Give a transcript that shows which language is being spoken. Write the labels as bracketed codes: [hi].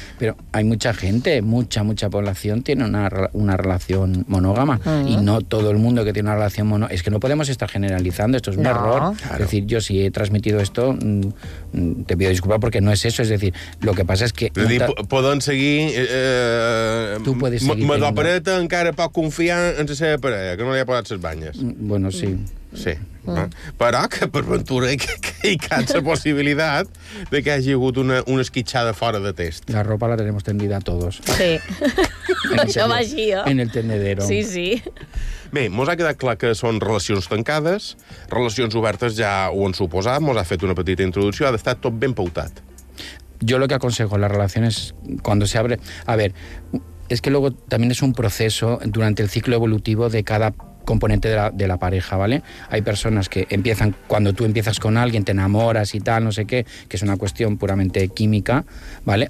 [es] Però hay mucha gente, mucha población tiene una relación monógama. Y no todo el mundo que tiene una relación monógama. Es que no podemos estar generalizando, esto es un error. Es decir, yo si he transmitido esto, te pido disculpa porque no es eso, es decir, lo que pasa es que [ca] poden seguir [es] tu puedes seguir [ca] me d'opereta encara pot confiar en la seva parella que no li ha posat ses banyes. Bueno, sí. Sí. Però que per ventura hi cap la possibilitat de que hagi hagut una esquitxada fora de test. [es] La ropa la tenemos tendida a todos. [ca] Sí. Això va així, [es] en el tenedero. Sí, sí. [ca] Bé, mos ha quedat clar que són relacions tancades, relacions obertes ja ho han suposat, mos ha fet una petita introducció, ha d'estar tot ben pautat. [es] Yo lo que aconsejo en las relaciones, cuando se abre... A ver, es que luego también es un proceso durante el ciclo evolutivo de cada componente de la pareja, ¿vale? Hay personas que empiezan, cuando tú empiezas con alguien, te enamoras y tal, no sé qué, que es una cuestión puramente química, ¿vale?